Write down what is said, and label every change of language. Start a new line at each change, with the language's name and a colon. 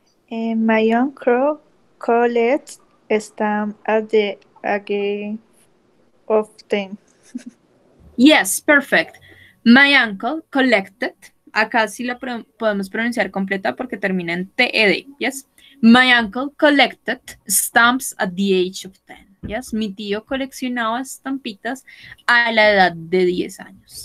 English: My uncle collect stamp at the again of them. Yes, perfect. My uncle collected.
Spanish: Acá sí la podemos pronunciar completa porque termina en T-E-D.
English: Yes. My uncle collected stamps at the age of 10. Yes.
Spanish: Mi tío coleccionaba estampitas a la edad de 10 años.